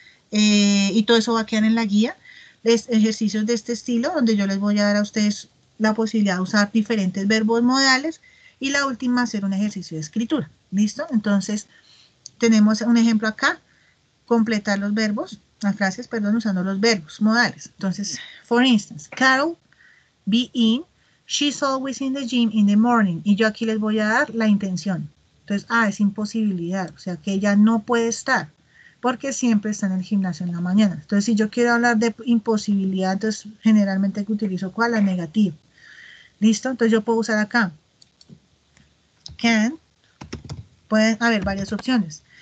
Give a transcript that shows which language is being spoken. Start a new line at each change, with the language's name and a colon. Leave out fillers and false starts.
Spanish: Y todo eso va a quedar en la guía. Ejercicios de este estilo, donde yo les voy a dar a ustedes la posibilidad de usar diferentes verbos modales. Y la última, hacer un ejercicio de escritura. ¿Listo? Entonces, tenemos un ejemplo acá. Completar los verbos, las frases, perdón, usando los verbos modales. Entonces,
English: for instance, Carol. Be in, she's always in the gym in the morning.
Spanish: Y yo aquí les voy a dar la intención. Entonces, es imposibilidad. O sea, que ella no puede estar porque siempre está en el gimnasio en la mañana. Entonces, si yo quiero hablar de imposibilidad, entonces generalmente que utilizo cuál, la negativa. ¿Listo? Entonces, yo puedo usar acá. Can, pueden haber varias opciones.